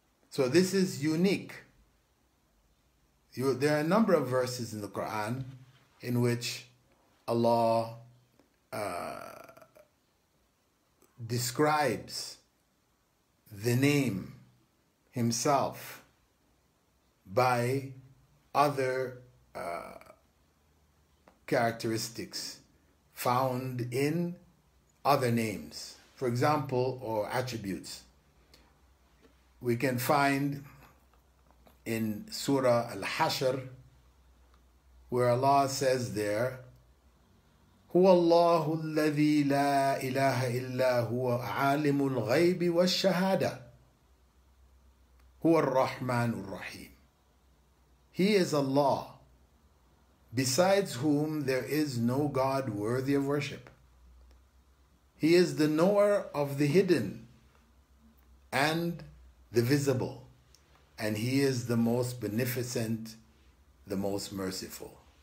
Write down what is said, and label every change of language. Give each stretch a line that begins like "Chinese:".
English: So this is unique. There are a number of verses in the Quran in which Allah describes the name himself by other characteristics found in other names, for example, or attributes. We can find in Surah Al-Hashr, where Allah says there,
Arabic: هُوَ اللَّهُ الَّذِي لَا إِلَهَ إِلَّا هُوَ عَالِمُ الْغَيْبِ وَالشَّهَادَةِ هُوَ الرَّحْمَنُ الرَّحِيمُ.
English: He is Allah, besides whom there is no God worthy of worship. He is the knower of the hidden and the visible, and he is the most beneficent, the most merciful.